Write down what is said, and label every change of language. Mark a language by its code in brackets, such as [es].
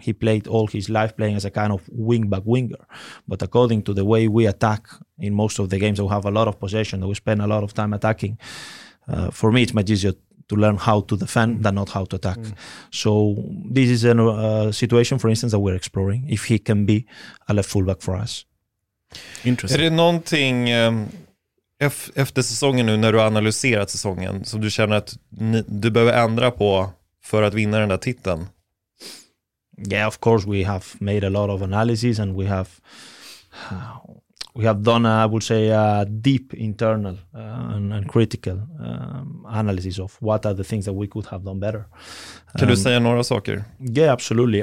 [en] He played all his life playing as a kind of wing-back winger. But according to the way we attack in most of the games, we have a lot of possession, we spend a lot of time attacking. For me, it's much easier to learn how to defend than not how to attack. So this is a situation, for instance, that we're exploring, if he can be a left fullback for us. [sv] Är det någonting efter säsongen nu när du har analyserat säsongen som du känner att du behöver ändra på för att vinna den där titeln? [en] Yeah, of course we have made a lot of analysis and we have done a, I would say a deep internal and critical analysis of what are the things that we could have done better. [sv] Kan du säga några saker? [en] Yeah, absolutely.